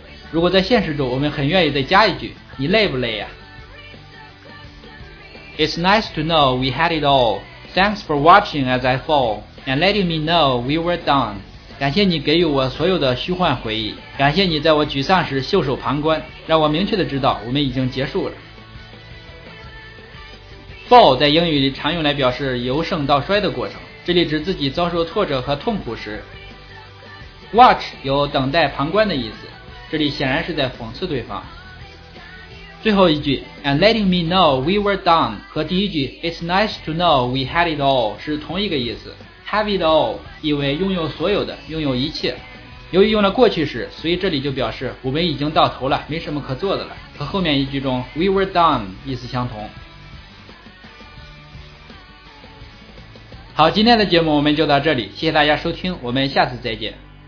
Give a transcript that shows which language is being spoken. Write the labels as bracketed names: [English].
[Chinese] 如果在现实中，我们很愿意再加一句，你累不累呀？ [English] It's nice to know we had it all. Thanks for watching as I fall and letting me know we were done. [Chinese] 感谢你给予我所有的虚幻回忆，感谢你在我沮丧时袖手旁观，让我明确的知道我们已经结束了。 Fall 在英语里常用来表示由盛到衰的过程，这里指自己遭受挫折和痛苦时。 Watch 有等待旁观的意思，这里显然是在讽刺对方。最后一句 [English] And letting me know we were done [Chinese] 和第一句 [English] It's nice to know we had it all [Chinese] 是同一个意思。 [English] Have it all [Chinese] 意为拥有所有的，拥有一切，由于用了过去时，所以这里就表示我们已经到头了，没什么可做的了，和后面一句中 [English] We were done [Chinese] 意思相同。好，今天的节目我们就到这里，谢谢大家收听，我们下次再见。